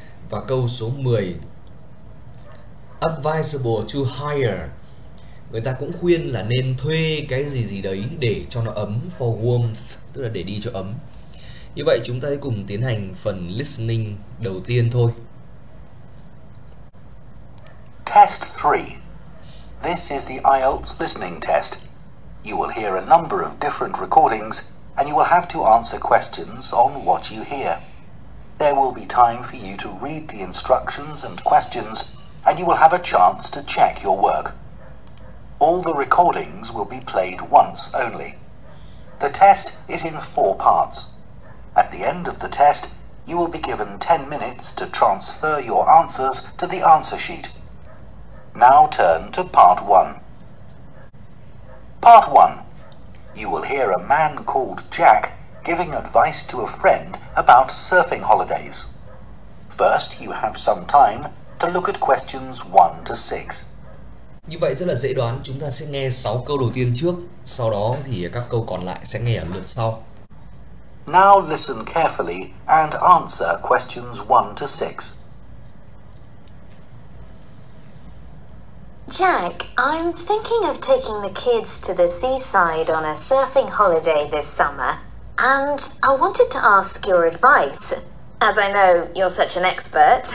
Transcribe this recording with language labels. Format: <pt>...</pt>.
<vi>Và câu số 10,</vi> <en>advisable to hire.</en> <vi>Người ta cũng khuyên là nên thuê cái gì gì đấy để cho nó ấm,</vi> <en>for warmth,</en> <vi>tức là để đi cho ấm. Như vậy chúng ta sẽ cùng tiến hành phần listening đầu tiên thôi.</vi> <en>Test 3. This is the IELTS listening test. You will hear a number of different recordings and you will have to answer questions on what you hear. There will be time for you to read the instructions and questions and you will have a chance to check your work. All the recordings will be played once only. The test is in four parts. At the end of the test, you will be given 10 minutes to transfer your answers to the answer sheet. Now turn to part one. Part one. You will hear a man called Jack giving advice to a friend about surfing holidays. First, you have some time to look at questions 1 to 6.</en> <vi>Như vậy rất là dễ đoán, chúng ta sẽ nghe 6 câu đầu tiên trước, sau đó thì các câu còn lại sẽ nghe ở lượt sau.</vi> <en>Now listen carefully and answer questions 1 to 6. Jack, I'm thinking of taking the kids to the seaside on a surfing holiday this summer, and I wanted to ask your advice, as I know you're such an expert.</en>